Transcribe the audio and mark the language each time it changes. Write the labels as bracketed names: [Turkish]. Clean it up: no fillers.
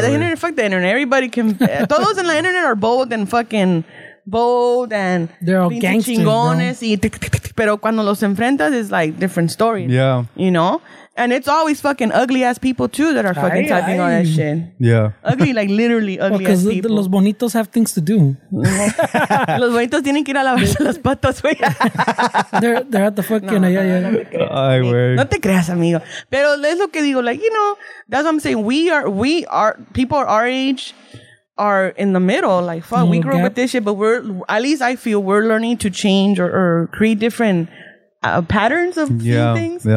[English] the internet, fuck the internet. Everybody can... [Spanish] Todos en la internet [English] are bold and fucking bold and... They're all gangsters, bro. [Spanish] Pero cuando los enfrentas, [English] it's like different story. Yeah. You know? And it's always fucking ugly ass people too that are fucking typing all that shit. Yeah. Ugly, like literally ugly ass people. Because los bonitos have things to do. [Spanish] Los bonitos tienen que ir a lavarse las patas, güey. [English] They're at the fucking... [Spanish] Ay, güey. No te creas, amigo. Pero es lo que digo, [English] like, you know, that's what I'm saying. We are, people our age are in the middle. Like, fuck, we grew up with this shit, but we're, at least I feel we're learning to change or create different patterns of things.